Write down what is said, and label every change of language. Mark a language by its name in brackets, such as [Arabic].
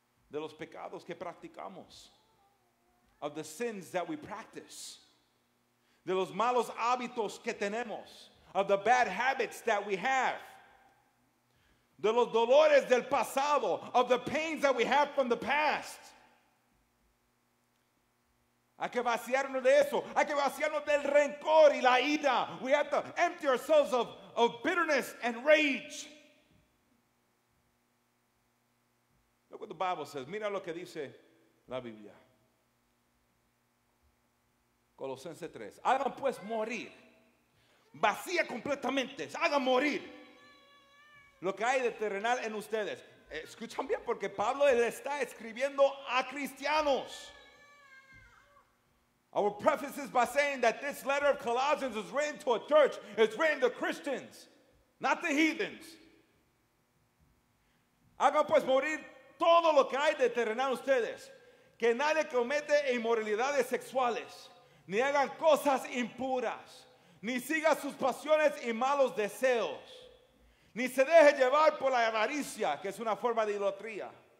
[Spanish] De los pecados que practicamos. [English] Of the sins that we practice. [Spanish] De los malos hábitos que tenemos. [English] Of the bad habits that we have. [Spanish] De los dolores del pasado. [English] Of the pains that we have from the past. [Spanish] Hay que vaciarnos de eso. Hay que vaciarnos del rencor y la ira. [English] We have to empty ourselves of bitterness and rage. Look what the Bible says. [Spanish] Mira lo que dice la Biblia. Colosenses 3. Hagan pues morir. Vacía completamente. Hagan morir. Lo que hay de terrenal en ustedes. Escuchan bien porque Pablo le está escribiendo a cristianos. [English] I will preface this by saying that this letter of Colossians is written to a church. It's written to Christians, not the heathens. [Spanish] Hagan pues morir todo lo que hay de terrenal ustedes. Que nadie comete inmoralidades sexuales. Ni hagan cosas impuras. Ni siga sus pasiones y malos deseos. Ni se deje llevar por la avaricia, que es una forma de idolatría.